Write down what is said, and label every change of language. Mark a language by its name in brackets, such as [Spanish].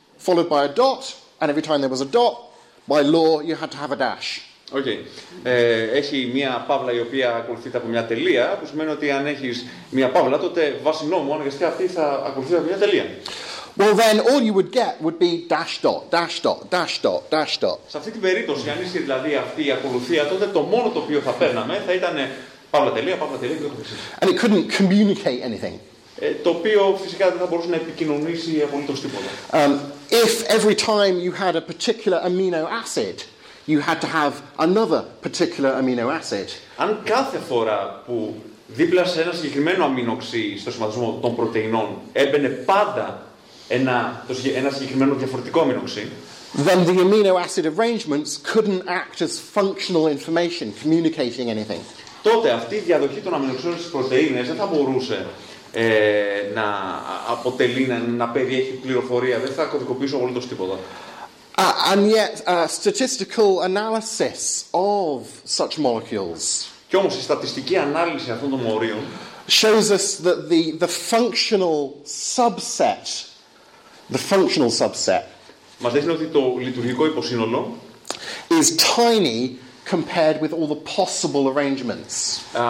[English] Followed by a dot, and every time there was a dot, by law you had to have a dash. Okay. [Greek] Έχει μία παύλα η οποία ακολουθείται από μία τελεία, που σημαίνει ότι αν έχεις μία παύλα, τότε βάσει νόμου, αναγκαστικά αυτή θα ακολουθείται από μία τελεία. [English] Well then, all you would get would be dash dot, dash dot, dash dot, dash dot. [Greek] Σε αυτή την περίπτωση, αν είσαι δηλαδή αυτή η ακολουθία, τότε το μόνο το οποίο θα παίρναμε θα ήταν παύλα τελεία, παύλα τελεία και το [English] χρησίς. And it couldn't communicate anything. [Greek] Το οποίο φυσικά δεν θα μπορούσε να επικοινωνήσει απολύτως τίποτα. [English] If every time you had a particular amino acid, you had to have another particular amino acid. [Greek] Αν κάθε φορά που δίπλα σε ένα συγκεκριμένο αμινοξύ στο σχηματισμό των πρωτεϊνών έμπαινε πάντα ένα συγκεκριμένο διαφορετικό αμινοξύ, [English] then the amino acid arrangements couldn't act as functional information communicating anything. [Greek] Τότε αυτή η διαδοχή των αμινοξύων στις πρωτεΐνες δεν θα μπορούσε να αποτελεί, να περιέχει πληροφορία, δεν θα κωδικοποιήσω απολύτως τίποτα. [English] And yet, statistical analysis of such molecules. [Greek] Κι όμως η στατιστική ανάλυση αυτών των μορίων [English] shows us that the functional subset, the functional subset, [Greek] μας δείχνει ότι το λειτουργικό υποσύνολο [English] is tiny compared with all the possible arrangements.